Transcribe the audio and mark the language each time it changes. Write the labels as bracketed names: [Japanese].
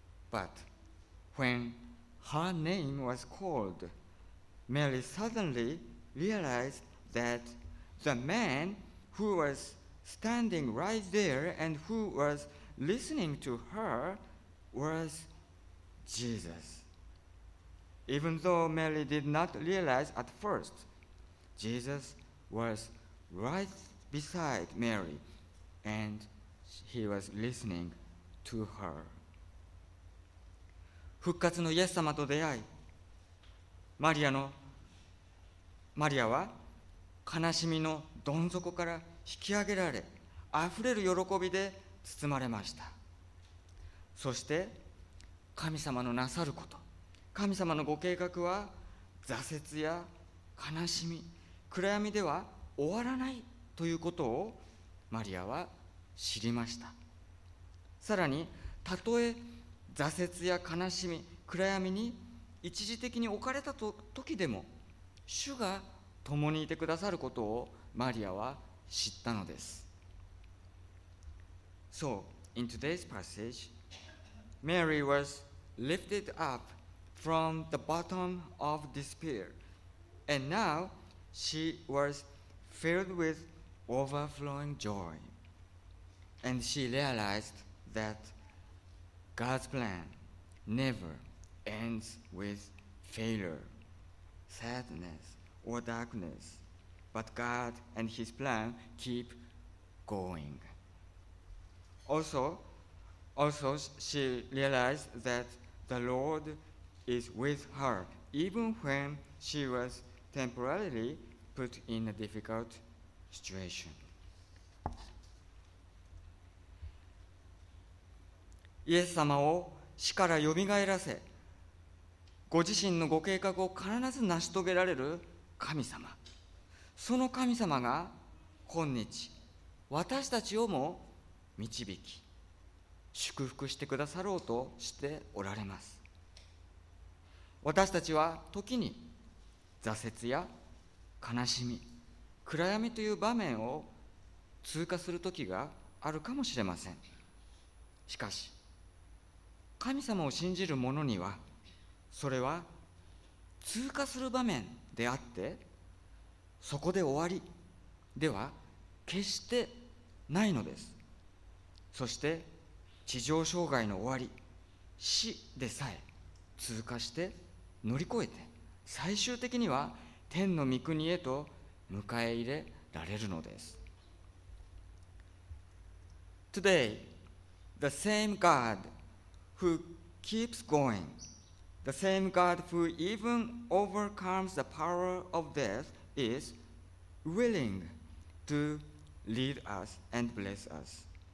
[English] But when her name was called, Mary suddenly realized that the man who was standing right there and who was listening to her was Jesus. Even though Mary did not realize at first, Jesus was right beside Mary and he was listening to her. [Japanese] 復活のイエス様と出会い、マリアは悲しみのどん底から引き上げられ、あふれる喜びで包まれました。そして神様のなさること、神様のご計画は挫折や悲しみ、暗闇では終わらないということをマリアは知りました。さらにたとえ挫折や悲しみ、暗闇に一時的に置かれた時でも、主が共にいてくださることをマリアは知ったのです。 [English] So, in today's passage, Mary was lifted up from the bottom of despair, and now she was filled with overflowing joy, and she realized that God's plan never ends with failure, sadness, or darkness, but God and His plan keep going. Also, she realized that the Lord is with her, even when she was temporarily put in a difficult situation. [Japanese] イエス様を死からよみがえらせ、ご自身のご計画を必ず成し遂げられる神様、その神様が今日私たちをも導き祝福してくださろうとしておられます。私たちは時に挫折や悲しみ、暗闇という場面を通過する時があるかもしれません。しかし神様を信じる者にはそれは通過する場面であって、そこで終わりでは決してないのです。そして地上生涯の終わり、死でさえ通過して乗り越えて、最終的には天の御国へと迎え入れられるのです。 [English] Today, the same GodWho keeps going, the same God who even overcomes the power of death is willing to lead us and bless us.